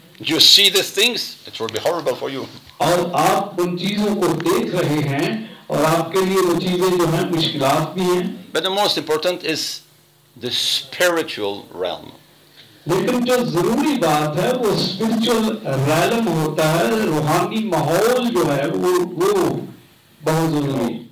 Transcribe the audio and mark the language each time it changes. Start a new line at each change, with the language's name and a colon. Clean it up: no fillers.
English: you see these things, it will be horrible for you.
Hindi: और आप उन चीजों को देख रहे हैं, और आपके लिए वो चीजें जो हैं मुश्किलात भी हैं.
English: But the most important is the spiritual realm.
Hindi: लेकिन जो जरूरी बात है, वो
English: spiritual realm
Hindi: होता है, रूहानी माहौल जो है, वो बहुत जरूरी है.